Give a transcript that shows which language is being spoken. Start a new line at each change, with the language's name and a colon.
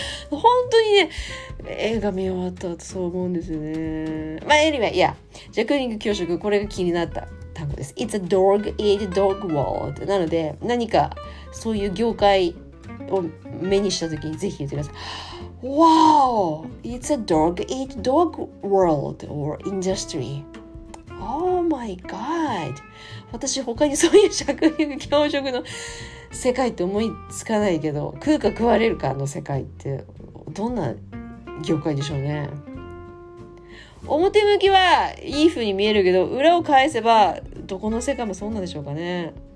Japanese: 本当にね、映画見終わった後そう思うんですよね。
English: まあ、anyway, yeah.
Japanese: ジャクリング教職、これが気になった単語です。
English: It's a dog eat dog world.
Japanese: なので、何かそういう業界を目にした時にぜひ言ってください。
English: Wow! It's a dog eat dog world or industry. Oh my god!
Japanese: 私他にそういう食肉教職の世界って思いつかないけど、食うか食われるかの世界ってどんな業界でしょうね。表向きはいい風に見えるけど、裏を返せばどこの世界もそうなんでしょうかね。